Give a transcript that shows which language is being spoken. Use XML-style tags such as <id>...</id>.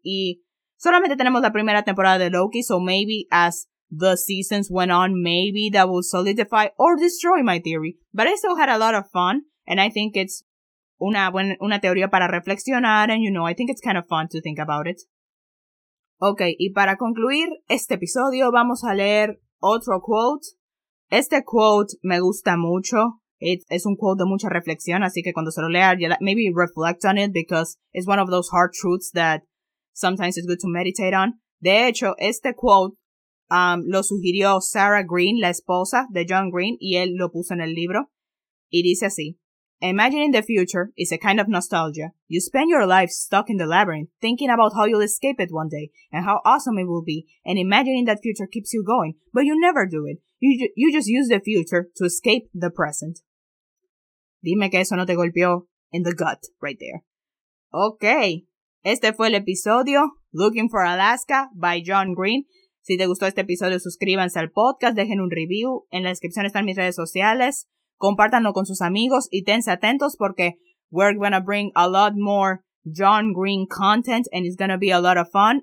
<es>Y solamente tenemos la primera temporada de Loki,</es> <en>so maybe as the seasons went on, maybe that will solidify or destroy my theory. But I still had a lot of fun, and I think it's</en> <es>una teoría para reflexionar,</es> <en>and you know, I think it's kind of fun to think about it.</en> <es>Okay, y para concluir este episodio, vamos a leer otro quote. Este quote me gusta mucho. Es un quote de mucha reflexión, así que cuando se lo lea,</es> <en>maybe reflect on it, because it's one of those hard truths that sometimes it's good to meditate on.</en> <es>De hecho, este quote lo sugirió Sarah Green, la esposa de John Green, y él lo puso en el libro. Y dice así,</es> <en>imagining the future is a kind of nostalgia. You spend your life stuck in the labyrinth, thinking about how you'll escape it one day, and how awesome it will be, and imagining that future keeps you going, but you never do it. You just use the future to escape the present.</en> <es>Dime que eso no te golpeó</es> <en>in the gut right there.</en> <es>Okay, este fue el episodio Looking for Alaska by John Green. Si te gustó este episodio, suscríbanse al podcast, dejen un review. En la descripción están mis redes sociales. Compártanlo con sus amigos y tense atentos porque</es> <en>we're gonna bring a lot more John Green content and it's gonna be a lot of fun.</en>